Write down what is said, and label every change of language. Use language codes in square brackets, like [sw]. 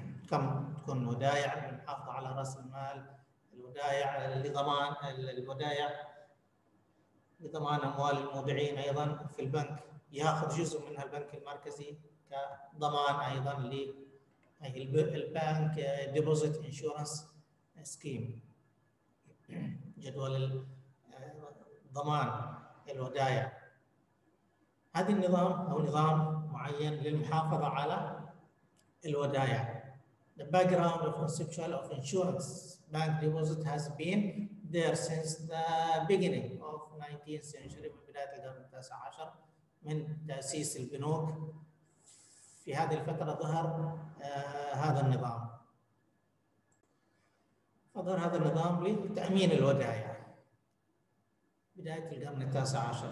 [ar] كم تكون ودائع المحافظة على رأس المال، الودائع لضمان الودائع لضمان أموال المودعين أيضا في البنك، يأخذ جزء منها البنك المركزي كضمان أيضا للبنك ديبوزيت انشورنس سكيم. جدول ضمان الودايع. هذا النظام أو نظام معين للمحافظة على الودايع. [en] The background of conceptual of insurance bank deposit has been there since the beginning of 19th century. [ar] من بداية القرن التاسع عشر من تأسيس البنوك في هذه الفترة ظهر هذا النظام. ظهر هذا النظام لتأمين الودائع بداية القرن التاسع عشر.